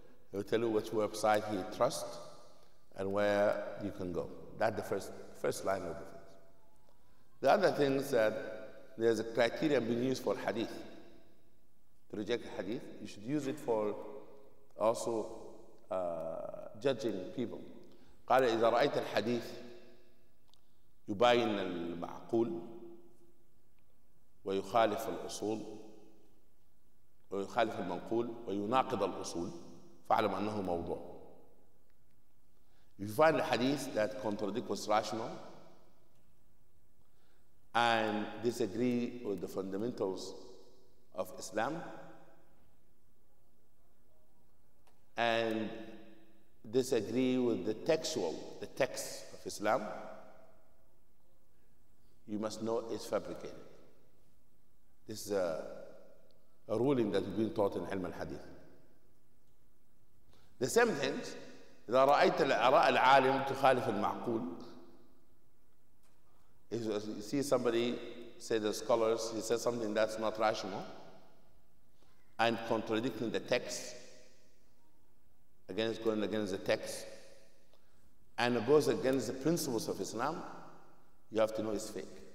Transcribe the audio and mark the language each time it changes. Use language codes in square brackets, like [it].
[en] He will tell you which website he trusts and where you can go. That's the first line of defense. The other thing is that there's a criteria being used for hadith. To reject hadith, you should use it for also judging people. [ar] قَالَ إِذَا رَأَيْتَ الْحَدِيثِ يُبَيِّنَ الْمَعْقُولِ ويخالف الأصول ويخالف المنقول ويناقض الأصول فاعلم أنه موضوع. [en] If you find a hadith that contradicts what's rational and disagree with the fundamentals of Islam and disagree with the text of Islam, you must know it's fabricated. This is a ruling that has been taught in Ilm al-Hadith. The same thing, [ar] إذا رأيت الأراء العالم تخالف المعقول. [en] If you see somebody, say the scholars, he says something that's not rational, and contradicting the text, against going against the text, and it goes against the principles of Islam, you have to know it's fake.